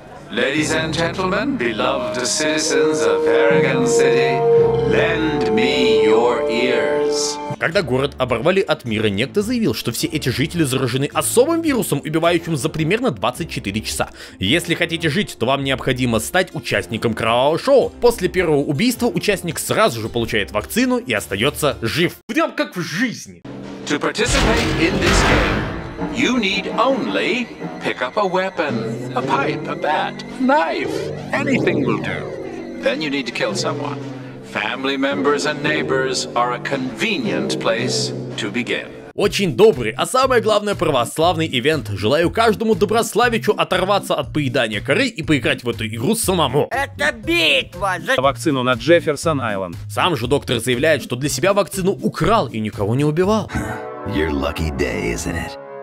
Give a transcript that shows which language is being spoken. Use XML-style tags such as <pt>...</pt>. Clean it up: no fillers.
<en>Ladies and gentlemen, beloved citizens of Paragon City, lend me your ears.</en> <ru>Когда город оборвали от мира, некто заявил, что все эти жители заражены особым вирусом, убивающим за примерно 24 часа. Если хотите жить, то вам необходимо стать участником кровавого шоу. После первого убийства участник сразу же получает вакцину и остается жив. Прям как в жизни.</ru> <en>To participate in this game, you need only pick up a weapon, a pipe, a bat, knife, anything will do. Then you need to kill someone. Family members and neighbors are a convenient place to begin.</en> <ru>Очень добрый, а самое главное, православный ивент. Желаю каждому доброславичу оторваться от поедания коры и поиграть в эту игру самому. Это битва за вакцину на Джефферсон Айленд. Сам же доктор заявляет, что для себя вакцину украл и никого не убивал.</ru> <en>You're lucky day, isn't it?</en>